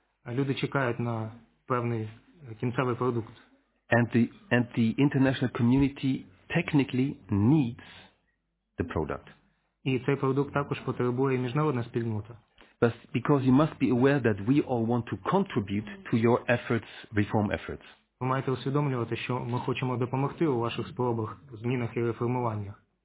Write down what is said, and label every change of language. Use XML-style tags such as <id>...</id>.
<uk>Люди чекають на певний кінцевий продукт.</uk> <en>And the international community technically needs the product.</en> <uk>І цей продукт також потребує міжнародна спільнота.</uk> <en>But because you must be aware that we all want to contribute to your efforts, reform efforts.</en> <uk>Ви маєте усвідомлювати, що ми хочемо допомогти у ваших спробах, змінах і реформуваннях.</uk>